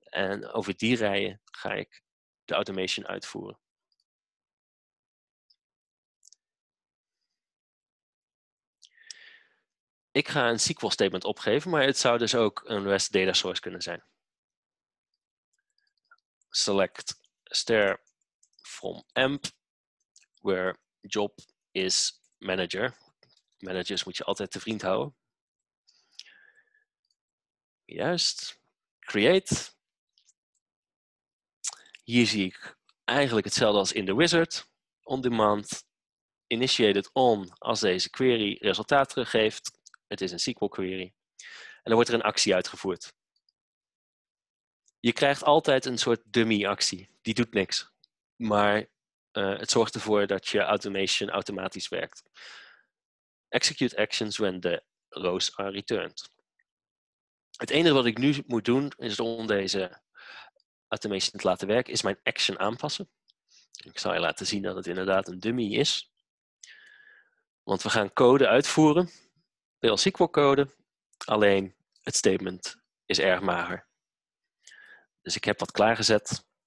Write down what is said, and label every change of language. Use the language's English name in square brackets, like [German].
[Dutch] En over die rijen ga ik de automation uitvoeren. Ik ga een SQL statement opgeven, maar het zou dus ook een REST data source kunnen zijn. [English] Select star from emp, where job is manager. [Dutch] Managers moet je altijd te vriend houden. Juist. Create. Hier zie ik eigenlijk hetzelfde als in de wizard. [English] On demand. Initiated on [Dutch] als deze query resultaat teruggeeft. Het is een SQL query. En dan wordt er een actie uitgevoerd. Je krijgt altijd een soort dummy actie. Die doet niks. Maar het zorgt ervoor dat je automation automatisch werkt. [English] Execute actions when the rows are returned. [Dutch] Het enige wat ik nu moet doen is om deze automation te laten werken, is mijn action aanpassen. Ik zal je laten zien dat het inderdaad een dummy is. Want we gaan code uitvoeren. Veel SQL code. Alleen het statement is erg mager. Dus ik heb wat klaargezet.